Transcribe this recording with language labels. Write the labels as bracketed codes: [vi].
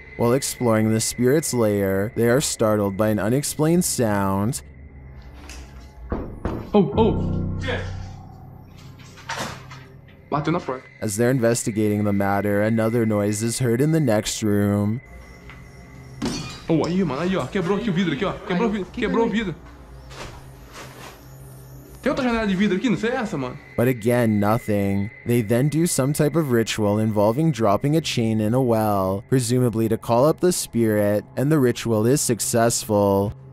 [en] While exploring the spirit's lair, they are startled by an unexplained sound. Oh! Yeah. As they're investigating the matter, another noise is heard in the next room. [pt] Oh, aí, mano, aí, ó, quebrou aqui o vidro aqui, ó. Quebrou, quebrou o vidro. Tem outra janela de vidro aqui, não sei essa, mano. [en] But again, nothing. They then do some type of ritual involving dropping a chain in a well, presumably to call up the spirit, and the ritual is successful.